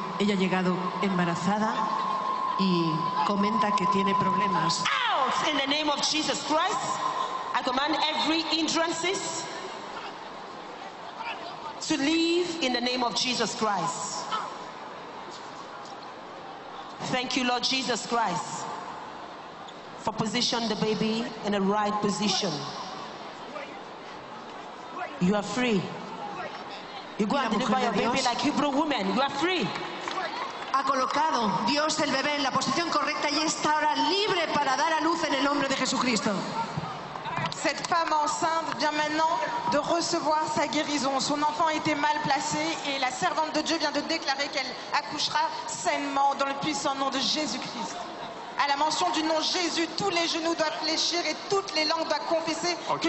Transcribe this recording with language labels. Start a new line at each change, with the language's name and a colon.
Spanish: Ella ha llegado embarazada y comenta que tiene problemas.
English: Out in the name of Jesus Christ, I command every hindrance to leave in the name of Jesus Christ. Thank you, Lord Jesus Christ, for positioning the baby in the right position. You are free. You go and deliver your baby like Hebrew woman. You are free.
Spanish: Ha colocado Dios el bebé en la posición correcta y está ahora libre para dar a luz en el nombre de Jesucristo.
French: Cette femme enceinte vient maintenant de recevoir sa guérison. Son enfant était mal placé et la servante de Dieu vient de déclarer qu'elle accouchera sainement dans le puissant nom de Jésus-Christ. À la mention du nom Jésus, tous les genoux doivent fléchir et toutes les langues doivent confesser okay.